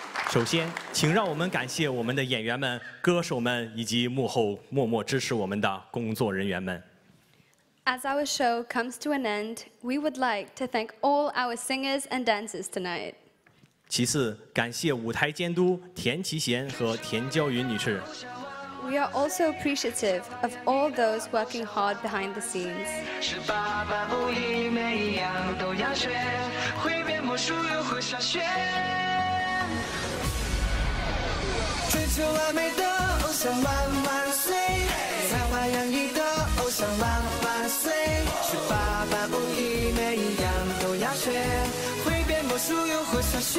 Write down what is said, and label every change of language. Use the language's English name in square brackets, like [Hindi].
[Chinese] 首先，请让我们感谢我们的演员们、歌手们以及幕后默默支持我们的工作人员们。 [English] As our show comes to an end, we would like to thank all our singers and dancers tonight. [Chinese] 其次，感谢舞台监督田琪贤和田娇云女士。 [English] We are also appreciative of all those working hard behind the scenes. [Chinese] 是爸爸不一每一样都要学，会变魔术又会下雪。追求完美的偶像万万岁，才华洋溢的偶像万万岁。是爸爸不一每一样都要学，会变魔术又会下雪。